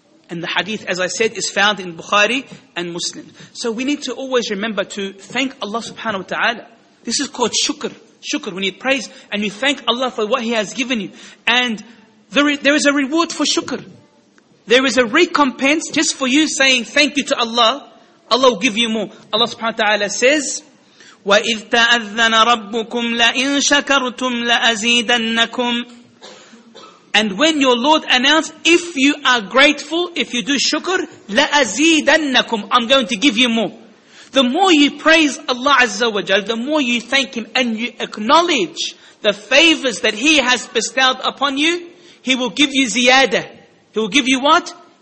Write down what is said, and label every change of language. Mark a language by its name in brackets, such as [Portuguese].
[English] And the hadith, as I said, is found in Bukhari and Muslim. So we need to always remember to thank Allah subhanahu wa ta'ala. This is called shukr. Shukr, when you praise and you thank Allah for what He has given you. And there is a reward for shukr. There is a recompense just for you saying thank you to Allah. Allah will give you more. Allah subhanahu wa ta'ala says, [Arabic] وَإِذْ تَأَذَّنَ رَبُّكُمْ لَإِنْ شَكَرْتُمْ لَأَزِيدَنَّكُمْ. [English] And when your Lord announced, if you are grateful, if you do shukr, [Arabic] لَأَزِيدَنَّكُمْ, [English] I'm going to give you more. The more you praise Allah Azza wa Jal, the more you thank Him and you acknowledge the favors that He has bestowed upon you, He will give you ziyadah. He will give you what?